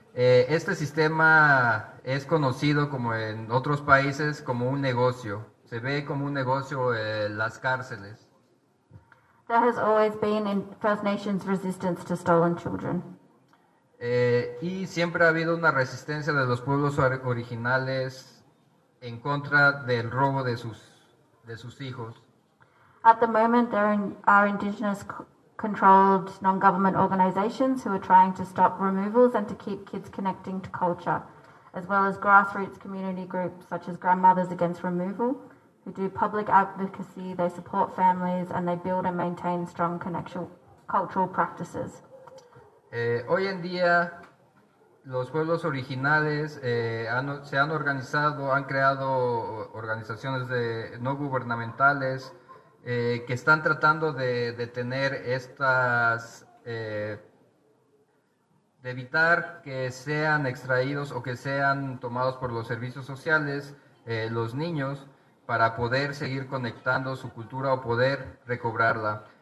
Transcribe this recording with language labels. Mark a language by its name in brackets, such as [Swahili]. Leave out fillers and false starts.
[Spanish] Este sistema es conocido como en otros países como un negocio. Se ve como un negocio las cárceles. [English] There has always been in First Nations resistance to stolen children. [Spanish] Y siempre ha habido una resistencia de los pueblos originales en contra del robo de sus hijos. [English] At the moment, there are indigenous controlled non-government organizations who are trying to stop removals and to keep kids connecting to culture, as well as grassroots community groups such as Grandmothers Against Removal, who do public advocacy, they support families, and they build and maintain strong connection cultural practices. [Spanish] Hoy en día, los pueblos originales se han organizado, han creado organizaciones de no gubernamentales que están tratando de detener estas, de evitar que sean extraídos o que sean tomados por los servicios sociales los niños para poder seguir conectando su cultura o poder recobrarla.